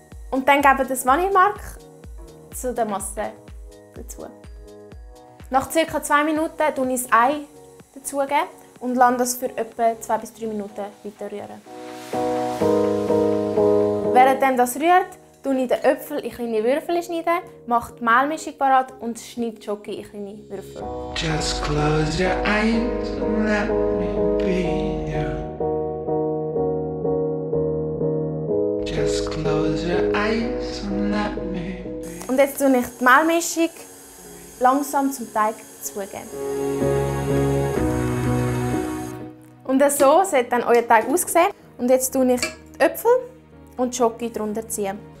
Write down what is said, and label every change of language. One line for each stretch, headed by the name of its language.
German: Und dann geben wir das Vanillemark zu der Masse dazu. Nach ca. 2 Minuten gebe ich das Ei dazu und lasse das für etwa 2-3 Minuten weiter rühren. Während das rührt, schneide ich den Äpfel in kleine Würfel, mache die Mehlmischung parat und schneide die Schoki in kleine Würfel.
English: Just close your eyes and let me be you. Just close your eyes and let me.
German: Und jetzt tue ich die Mehlmischung langsam zum Teig zugeben. Und so sieht dann euer Teig aussehen. Und jetzt tue ich die Äpfel und die Schoki darunter ziehen.